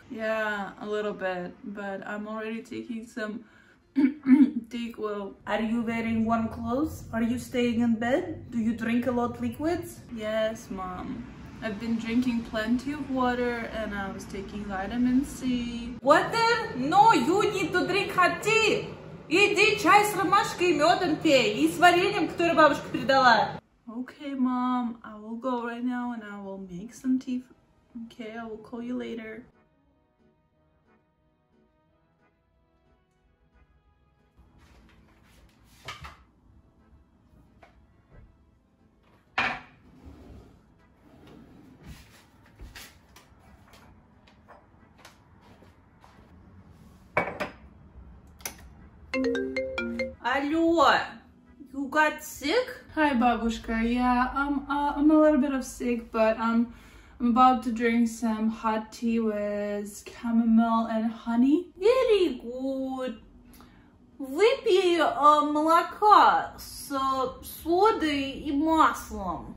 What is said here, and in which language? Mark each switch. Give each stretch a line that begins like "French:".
English: Yeah, a little bit, but I'm already taking some DayQuil. Are you wearing warm clothes? Are you staying in bed? Do you drink a lot of liquids? Yes, Mom. I've been drinking plenty of water and I was taking vitamin C. What then? No, you need to drink hot tea.
Russian: Иди чай с ромашкой и медом пей и с вареньем, которое бабушка передала.
English: Okay, Mom. I will go right now and I will make some tea. Okay, I will call you later. Hello, you got sick? Hi, Babushka. Yeah, I'm a little bit of sick, but I'm about to drink some hot tea with chamomile and honey. Very good.
Russian: Выпей молока с содой и маслом.